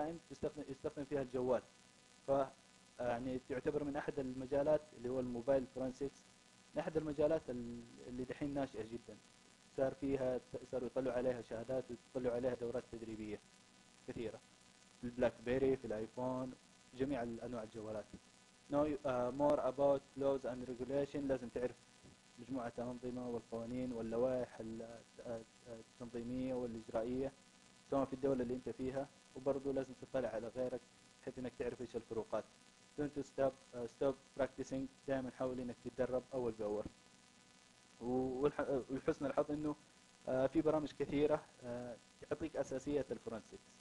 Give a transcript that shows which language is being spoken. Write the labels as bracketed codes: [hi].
[ar] تستخدم فيها الجوال، ف يعني تعتبر من أحد المجالات اللي هو الموبايل فرانسيكس، من أحد المجالات اللي دحين ناشئة جدا، صاروا يطلعوا عليها شهادات ويطلعوا عليها دورات تدريبية كثيرة في البلاك بيري، في الآيفون، جميع أنواع الجوالات. [en] Know more about laws and regulation. [ar] لازم تعرف مجموعة الأنظمة والقوانين واللوائح التنظيمية والإجرائية سواء في الدولة اللي أنت فيها، وبرضه لازم تطلع على غيرك بحيث إنك تعرف إيش الفروقات. [en] Don't stop practicing. [ar] دائما حاول إنك تتدرب أول بأول. ولحسن الحظ إنه في برامج كثيرة تعطيك أساسيات الفرنسيكس.